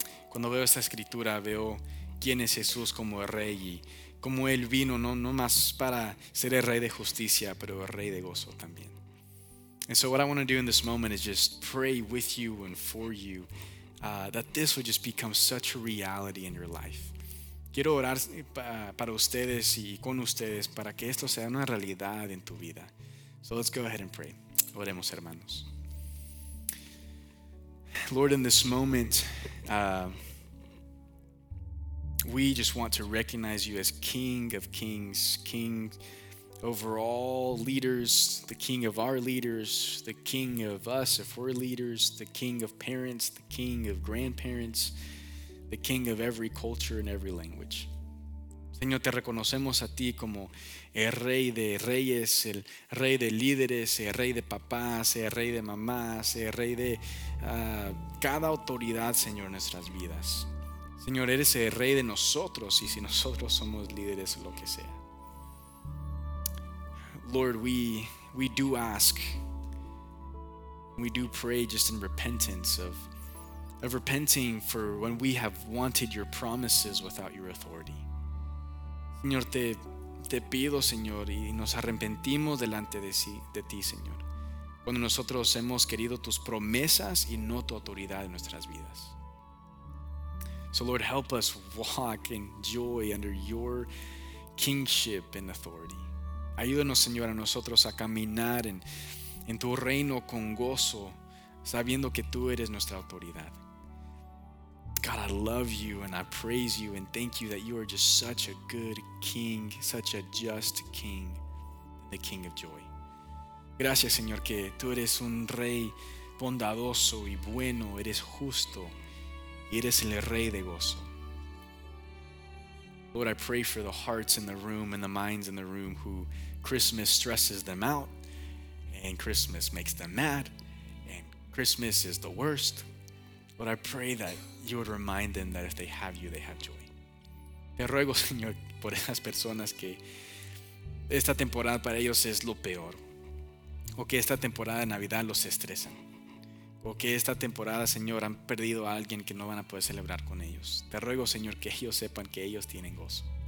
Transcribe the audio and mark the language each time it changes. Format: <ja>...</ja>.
<es>Cuando veo esta escritura, veo quién es Jesús como el rey y cómo él vino, no más para ser el rey de justicia, pero el rey de gozo también.</es> <en>And so what I want to do in this moment is just pray with you and for you. That this would just become such a reality in your life.</en> <es>Quiero orar para ustedes y con ustedes para que esto sea una realidad en tu vida.</es> <en>So let's go ahead and pray.</en> <es>Oremos, hermanos.</es> <en>Lord, in this moment, we just want to recognize you as King of Kings, King over all leaders, the King of our leaders, the King of us if we're leaders, the King of parents, the King of grandparents, the King of every culture and every language.</en> <es>Señor, te reconocemos a ti como el rey de reyes, el rey de líderes, el rey de papás, el rey de mamás, el rey de cada autoridad, Señor, en nuestras vidas. Señor, eres el rey de nosotros y si nosotros somos líderes, lo que sea.</es> <en>Lord, we do ask, we do pray just in repentance of repenting for when we have wanted your promises without your authority.</en> <es>Señor, te te pido, Señor, y nos arrepentimos delante de ti, Señor, cuando nosotros hemos querido tus promesas y no tu autoridad en nuestras vidas.</es> <en>So Lord, help us walk in joy under your kingship and authority.</en> <es>Ayúdanos, Señor, a nosotros a caminar en tu reino con gozo, sabiendo que tú eres nuestra autoridad.</es> <en>God, I love you and I praise you and thank you that you are just such a good king, such a just king, the king of joy.</en> <es>Gracias, Señor, que tú eres un rey bondadoso y bueno, eres justo y eres el rey de gozo.</es> <en>Lord, I pray for the hearts in the room and the minds in the room who Christmas stresses them out and Christmas makes them mad and Christmas is the worst. Lord, I pray that you would remind them that if they have you, they have joy.</en> <es>Te ruego, Señor, por esas personas que esta temporada para ellos es lo peor, o que esta temporada de Navidad los estresan, o que esta temporada, Señor, han perdido a alguien que no van a poder celebrar con ellos. Te ruego, Señor, que ellos sepan que ellos tienen gozo.</es>